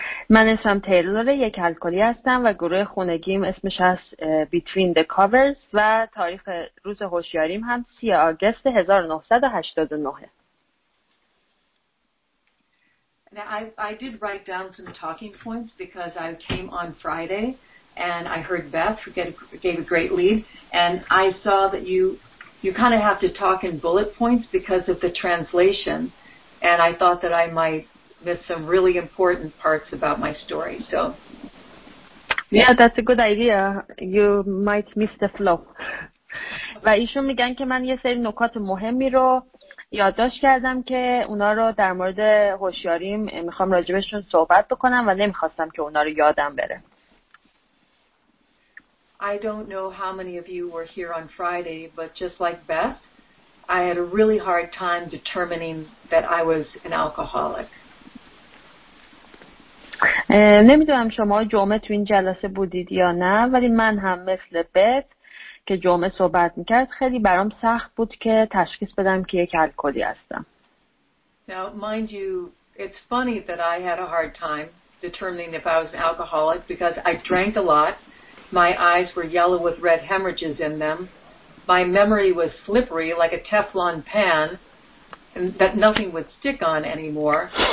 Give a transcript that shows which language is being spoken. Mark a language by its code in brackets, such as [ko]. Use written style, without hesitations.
[fa] من اسم تیلور، یک الکلی هستم و گروه خونگیم اسمش هست Between the Covers و تاریخ روز هوشیاریم هم 3 آگست 1989. [en] Now, I did write down some talking points because I came on Friday and I heard Beth, who gave a great lead, and I saw that you kind of have to talk in bullet points because of the translation, and I thought that I might miss some really important parts about my story, so. Yeah, that's a good idea. You might miss the flow. [fa] و ایشون میگن که من یه سری نکات مهمی رو یادداشت کردم که اونا رو در مورد هوشیاریم میخوام راجبشون صحبت بکنم و نمیخواستم که اونا رو یادم بره. [en] I don't know how many of you were here on Friday, but just like Beth, I had a really hard time determining that I was an alcoholic. [fa] نمیدونم شما جمعه تو این جلسه بودید یا نه، ولی من هم مثل بت که جمعه صحبت میکرد خیلی برام سخت بود که تشخیص بدم که یک الکلی هستم. [en] Now, mind you, it's funny that I had a hard time determining if I was an alcoholic because I drank a lot. My eyes were yellow with red hemorrhages in them. My memory was slippery like a Teflon pan and that nothing would stick on anymore.